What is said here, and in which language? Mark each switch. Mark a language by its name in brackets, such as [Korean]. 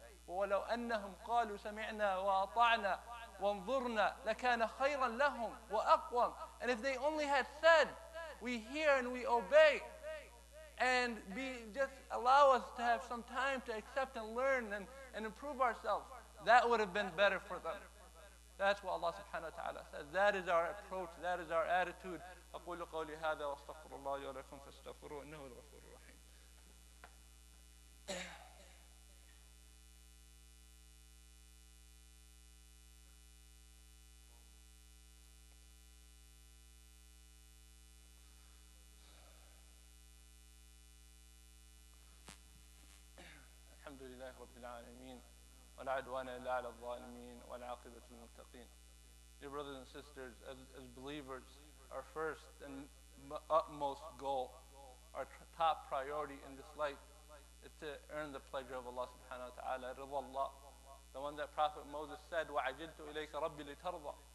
[Arabic] وَلَوْ أَنَّهُمْ قَالُوا سَمِعْنَا وَأَطَعْنَا وَانْظُرْنَا لَكَانَ خَيْرًا لَهُمْ وَأَقْوَمْ. [English] And if they only had said, we hear and we obey, and be just allow us to have some time to accept and learn and improve ourselves, that would have been better for them. That's what Allah subhanahu wa ta'ala says. That is our approach. That is our attitude. [Arabic] أقول قولي هذا واستغفر الله لي ولكم فاستغفروا إنه الغفور الرحيم. الحمد لله رب العالمين ولا عدوان إلا على الظالمين ولا عاقبة للمتقين. [English] Dear brothers and sisters, as believers, our first and utmost goal, our top priority in this life, is to earn the pleasure of Allah subhanahu wa ta'ala, رضا الله. The one that Prophet Moses said, [Arabic] وَعَجِلْتُ إِلَيْكَ رَبِّ لِتَرْضَى.